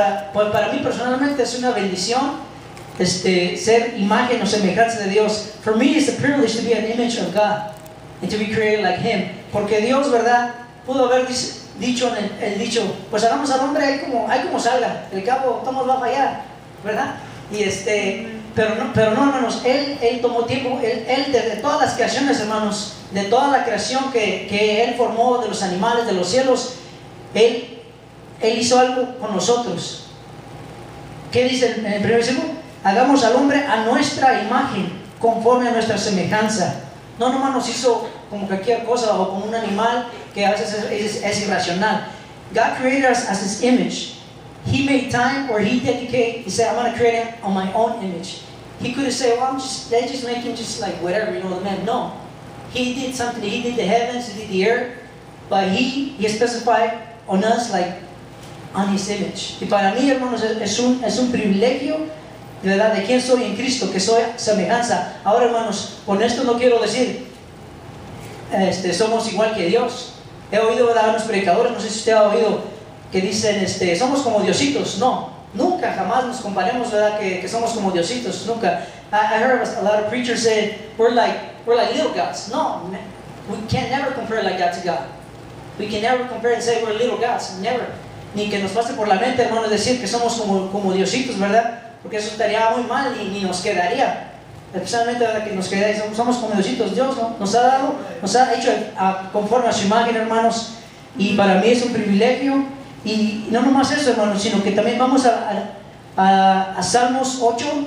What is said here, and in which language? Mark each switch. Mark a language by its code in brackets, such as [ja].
[es] Para mí personalmente es una bendición ser imagen o semejanza de Dios. [en] For me, it's a privilege to be an image of God and to be created like him. [es] Porque Dios, ¿verdad?, pudo haber dicho el dicho, pues hagamos al hombre ahí como salga, el cabo todo va a fallar, ¿verdad? Y pero no, hermanos, él tomó tiempo, él de todas las creaciones, hermanos, de toda la creación que él formó, de los animales, de los cielos, él hizo algo con nosotros. ¿Qué dice en el primer versículo? Hagamos al hombre a nuestra imagen, conforme a nuestra semejanza. No, hermanos, hizo como cualquier cosa o como un animal que a veces es irracional. [en] God created us as his image. He made time or he dedicated. He said, I'm going to create him on my own image. He could have said, well, let's just make him just like whatever, you know, the man. No. He did something. He did the heavens, he did the earth. But he specified on us like on his image. [es] Y para mí, hermanos, es un privilegio. De verdad, de quién soy en Cristo, que soy semejanza. Ahora, hermanos, con esto no quiero decir somos igual que Dios. He oído, ¿verdad?, a los predicadores, no sé si usted ha oído, que dicen somos como diositos. No, nunca, jamás nos comparemos, ¿verdad?, que somos como diositos, nunca. [en] I heard a lot of preachers say we're like little gods. No, we can never compare like that to God. We can never compare and say we're little gods, never. [es] Ni que nos pase por la mente, hermanos, decir que somos como diositos, ¿verdad?, porque eso estaría muy mal y ni nos quedaría. Especialmente ahora que nos quedáis, somos como Diositos. Dios, ¿no?, nos ha dado, nos ha hecho conforme a su imagen, hermanos. Y para mí es un privilegio. Y no nomás eso, hermanos, sino que también vamos a Salmos 8.